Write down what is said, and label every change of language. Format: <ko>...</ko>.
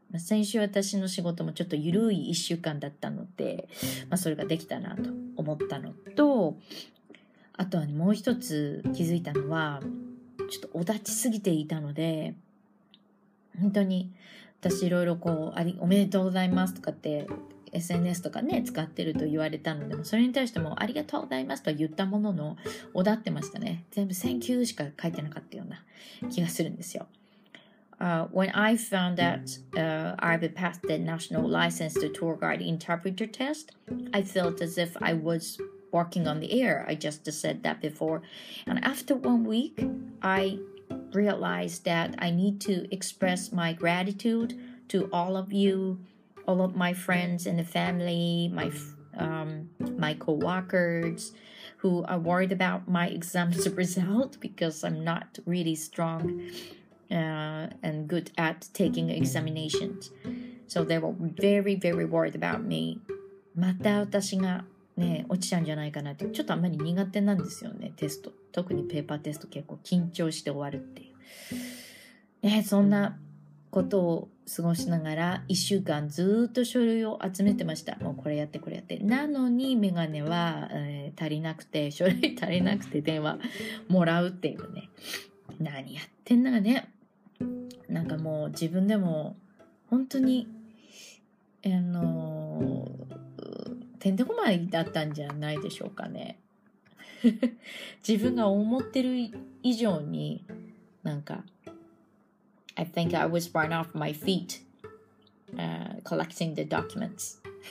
<ja>まあ、先週私の仕事もちょっと緩い1週間だったので、まあ、それができたなと思ったのと、あとは、ね、もう一つ気づいたのは、ちょっとおだちすぎていたので、本当に私いろいろこうおめでとうございますとかって SNS とかね使ってると言われたので、それに対してもありがとうございますと言ったもののおだってましたね。全部 Thank you しか書いてなかったような気がするんですよ。</ja> <en>When I found that I had passed the national license to tour guide interpreter test, I felt as if I was walking on the air. I just said that before. And after 1 week, I realized that I need to express my gratitude to all of you, all of my friends and the family, my co-workers, who are worried about my exam's result because I'm not really strong and good at taking examinations. So they were very, very worried about me.</en> <ja>また私がね、落ちちゃうんじゃないかなって、ちょっとあんまり苦手なんですよね、テスト。特にペーパーテスト結構緊張して終わるっていう。ね、そんなことを過ごしながら1週間ずっと書類を集めてました。もうこれやってこれやって。なのにメガネは、足りなくて、書類足りなくて電話もらうっていうね。何やってんだかね。なんかもう自分でも本当にてんてこまいだったんじゃないでしょうかね。自分が思ってる以上になんか、</ja> <en>I think I was run off my feet collecting the documents.</en>